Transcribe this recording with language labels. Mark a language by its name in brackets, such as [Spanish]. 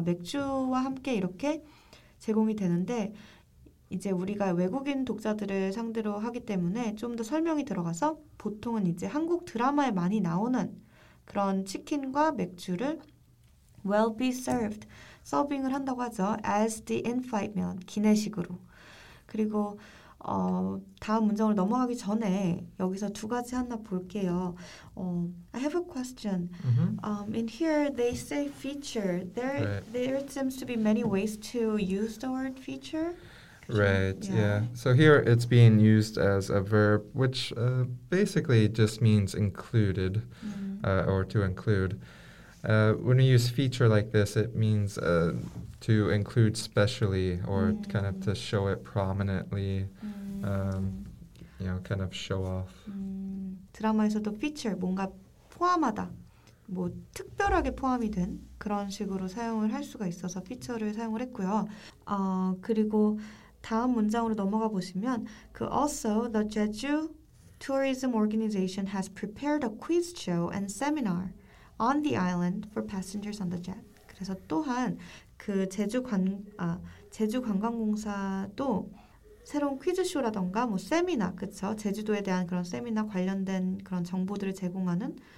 [Korean] 맥주와 함께 이렇게 제공이 되는데 이제 우리가 외국인 독자들을 상대로 하기 때문에 좀 더 설명이 들어가서 보통은 이제 한국 드라마에 많이 나오는 그런 치킨과 맥주를 [English] will be served. [Korean] 서빙을 한다고 하죠. [English] as the in-flight meal. [Korean] 기내식으로 그리고 다음 문장으로 넘어가기 전에 여기서 두 가지 하나 볼게요. [English] I have a question. Mm-hmm. In here, they say feature. There seems to be many ways to use the word feature. Right, yeah. So here it's being used as a verb, which basically just means included or to include. When we use feature like this, it means to include specially or kind of to show it prominently, kind of show off. [Korean] 드라마에서도 feature, 뭔가 포함하다, 뭐 특별하게 포함이 된 그런 식으로 사용을 할 수가 있어서 feature를 사용을 했고요. 그리고 다음 문장으로 넘어가 보시면 그 [English] also the Jeju Tourism Organization has prepared a quiz show and seminar. On the island for passengers on the jet. [Korean] 그래서 또한 그 제주 관광공사도 새로운 퀴즈쇼라던가 뭐 세미나, 그쵸? 제주도에 대한 그런 세미나 관련된 그런 정보들을 제공하는